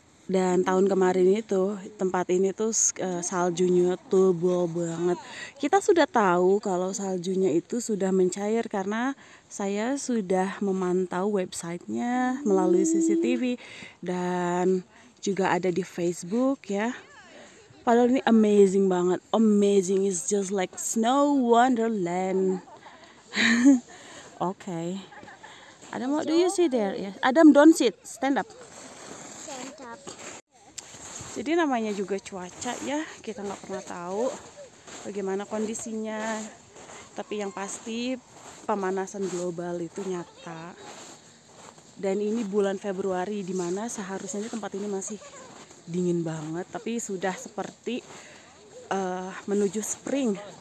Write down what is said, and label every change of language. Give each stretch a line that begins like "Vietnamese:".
Indonesian: Dan tahun kemarin itu tempat ini tuh saljunya tebal banget. Kita sudah tahu kalau saljunya itu sudah mencair karena saya sudah memantau websitenya melalui CCTV dan juga ada di Facebook ya. Padahal ini amazing banget.
English: Amazing is just like snow wonderland. Okay. Adam, what do you see there? Yes. Adam, don't sit. Stand up.
Indonesian: Jadi namanya juga cuaca ya, kita nggak pernah tahu bagaimana kondisinya. Tapi yang pasti pemanasan global itu nyata. Dan ini bulan Februari di mana seharusnya tempat ini masih dingin banget, tapi sudah seperti menuju spring.